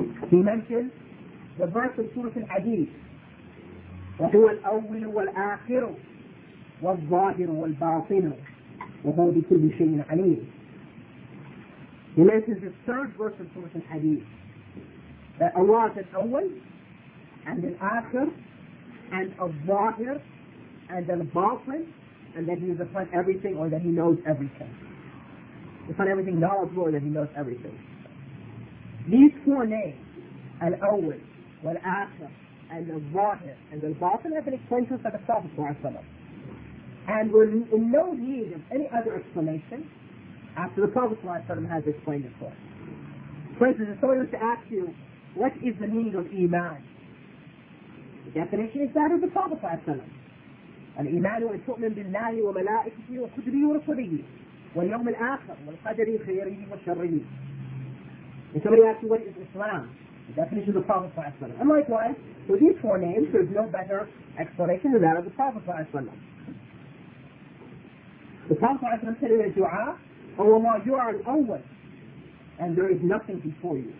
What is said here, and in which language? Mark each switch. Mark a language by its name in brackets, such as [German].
[English] He mentions the verse in Surah Al-Hadid, [Arabic] وَهُوَ الْأَوَّلُ وَالْآخِرُ وَالظَّاهِرُ وَالْبَاطِنُ وَهُوَ بِكُلِّ شَيْءٍ عَلِيمٌ. [English] He mentions the third verse in Surah Al-Hadid, that Allah is al-awwal and al-akhir and al-zahir and al-baatin, and that He is upon everything, or that He knows everything. Upon everything knowledgeable, or that He knows everything. These four names, al-awwal, والآخر and the ظاهر and the باطن, have been explained to us by the Prophet Sallallahu Alaihi Wasallam, and we're in no need of any other explanation after the Prophet Sallallahu Alaihi Wasallam has explained it for us. For instance, if someone was to ask you, what is the meaning of Iman? The definition is that of the Prophet Sallallahu Alaihi Wasallam. [Arabic] الإيمان هو أن تؤمن بالله وملائكته وكتبه ورسله واليوم الآخر والقدر خيره وشره. [English] If somebody asks you, what is Islam? The definition of the Prophet Sallallahu Alaihi Wasallam. And likewise, for these four names, there's no better explanation than that of the Prophet Sallallahu Alaihi Wasallam. The Prophet Sallallahu Alaihi Wasallam said in a dua, O Allah, you are al-awwal, and there is nothing before you.